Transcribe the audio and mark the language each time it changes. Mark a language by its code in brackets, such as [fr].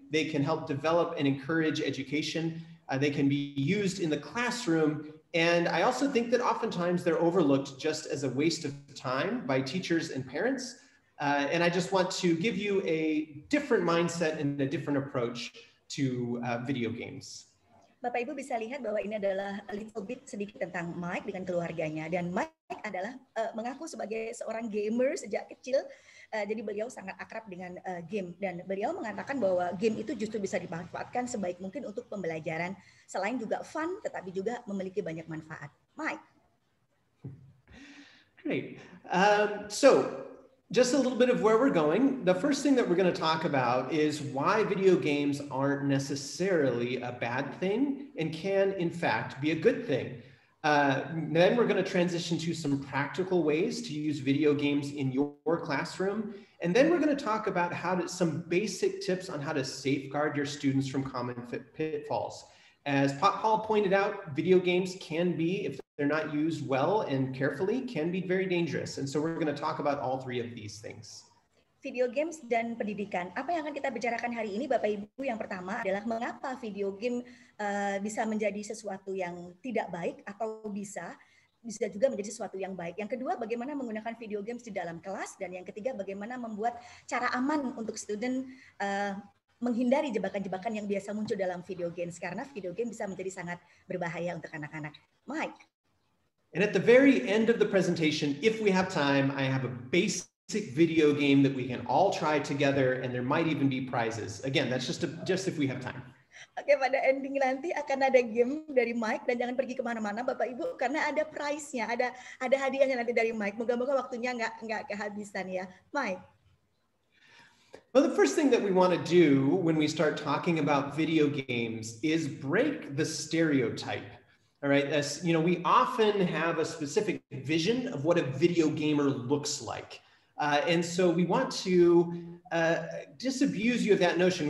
[en] They can help develop and encourage education. They can be used in the classroom. And I also think that oftentimes they're overlooked just as a waste of time by teachers and parents. And I just want to give you a different mindset and a different approach to video games. [id] Bapak Ibu bisa lihat bahwa ini adalah [en] a little bit [id] sedikit tentang Mike dengan keluarganya. Dan Mike adalah mengaku sebagai seorang gamer sejak kecil. Jadi beliau sangat akrab dengan game. Dan beliau mengatakan bahwa game itu justru bisa dimanfaatkan sebaik mungkin untuk pembelajaran. Selain juga fun, tetapi juga memiliki banyak manfaat. Mike. [en] Great. So, just a little bit of where we're going. The first thing that we're going to talk about is why video games aren't necessarily a bad thing and can, in fact, be a good thing. Then we're going to transition to some practical ways to use video games in your classroom. And then we're going to talk about some basic tips on how to safeguard your students from common pitfalls. As Paul pointed out, video games can be, if they're not used well and carefully, can be very dangerous. And so we're going to talk about all 3 of these things. [id] Video games dan pendidikan. Apa yang akan kita bicarakan hari ini, Bapak Ibu, yang pertama adalah mengapa video game bisa menjadi sesuatu yang tidak baik atau bisa juga menjadi sesuatu yang baik. Yang kedua, bagaimana menggunakan video games di dalam kelas. Dan yang ketiga, bagaimana membuat cara aman untuk student menghindari jebakan-jebakan yang biasa muncul dalam video games, karena video game bisa menjadi sangat berbahaya untuk anak-anak. Mike. [en] And at the very end of the presentation, if we have time, I have a basic video game that we can all try together, and there might even be prizes. Again, that's just if we have time. [id] Oke, pada ending nanti akan ada game dari Mike, dan jangan pergi kemana-mana, Bapak Ibu, karena ada prize-nya, ada hadiahnya nanti dari Mike. Moga-moga waktunya nggak kehabisan ya. Mike. [en] Well, the first thing that we want to do when we start talking about video games is break the stereotype, all right? As, you know, we often have a specific vision of what a video gamer looks like. And so we want to disabuse you of that notion.